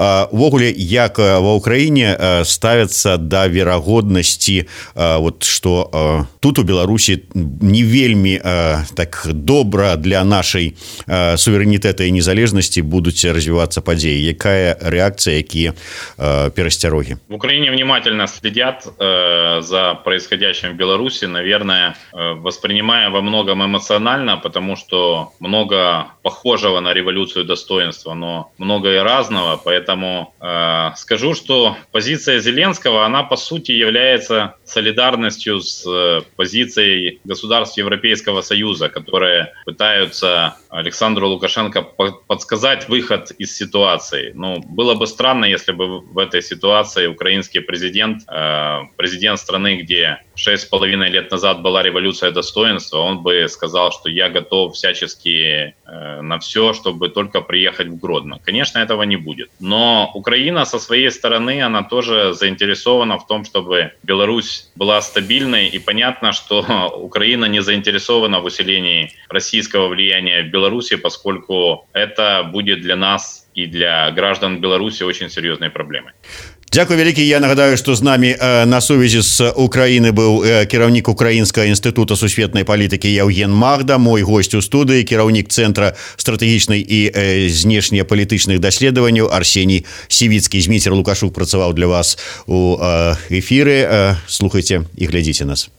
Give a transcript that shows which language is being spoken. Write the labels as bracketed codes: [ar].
[be] Увогуле, як ва Ўкраіне ставяцца да верагоднасці, вот што тут у Беларусі не вельмі так добра для нашай суверэнітэта і незалежнасці будуць развівацца падзеі. Якая рэакцыя, якія перасцярогі? [ru] В Украине внимательно следят за происходящим в Беларуси, наверное, воспринимая во многом эмоционально, потому что много похожего на революцию достоинства, но много и разного. Поэтому скажу, что позиция Зеленского, она по сути является солидарностью с позицией государств Европейского Союза, которые пытаются Александру Лукашенко подсказать выход из ситуации. Ну, было бы странно, если бы в этой ситуации украинский президент, президент страны, где 6,5 лет назад была революция достоинства, он бы сказал, что я готов всячески на все, чтобы только приехать в Гродно. Конечно, этого не будет. Но Украина со своей стороны, она тоже заинтересована в том, чтобы Беларусь была стабильной. И понятно, что Украина не заинтересована в усилении российского влияния в Беларуси, поскольку это будет для нас и для граждан Беларуси очень серьезной проблемой. [be] Дякую вялікі. Я нагадаю, што з намі на сувязі з Украіны быў кіраўнік Украінскага інстытута сусветнай палітыкі Яўген Магда, мой госць у студыі, кіраўнік цэнтра стратэгічнай і знешнепалітычных даследаванняў Арсеній Сівіцкі. Зміцер Лукашук працаваў для вас у эфіры. Слухайце і глядзіце нас.